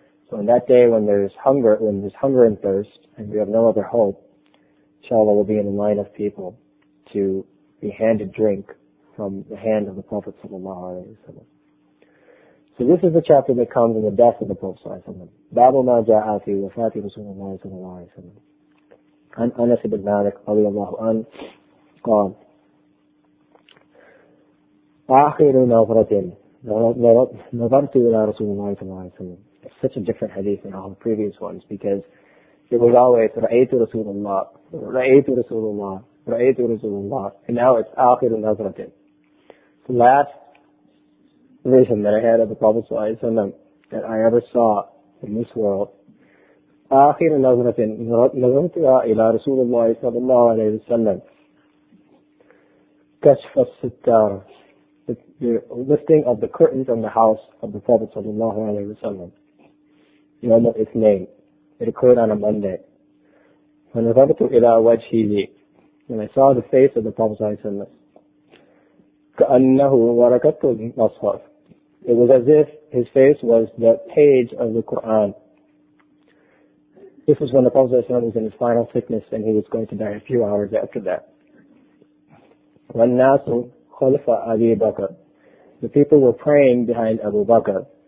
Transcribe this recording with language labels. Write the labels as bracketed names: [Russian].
[English] So on that day when there's hunger and thirst, and we have no other hope, inshallah will be in the line of people to be handed drink from the hand of the Prophet ﷺ. So this is the chapter that comes in the death of the Prophet ﷺ. [Arabic] Babu ma ja'a fi wafati Rasulullah ﷺ. عن أنس بن مالك رضي الله عنه قال آخر نظرة نظرت إلى رسول الله صلى الله عليه وسلم. [English] It's such a different hadith than all the previous ones, because it was always [Arabic] رأيت رسول الله رأيت رسول الله [English] رأيت رسول الله, and now it's [Arabic] آخر نظرة. [English] The last vision that I had of the Prophet صلى الله عليه وسلم that I ever saw in this world, [Arabic] آخر نظرة نظرتها إلى رسول الله صلى الله عليه وسلم كشف الستار, [English] the lifting of the curtains on the house of the Prophet صلى الله عليه وسلم. [Arabic] يوم الاثنين. [English] It occurred on a Monday. [Arabic] فنظرت إلى وجهه, [English] and I saw the face of the Prophet [Arabic] صلى الله عليه وسلم كأنه ورقة المصحف. [English] It was as if his face was the page of the Quran. This was when the Prophet ﷺ was in his final sickness and he was going to die a few hours after that. [Arabic] وَالنَّاسُ خَلْفَ أَبِي بَكَرٍ. [English] The people were praying behind Abu Bakr.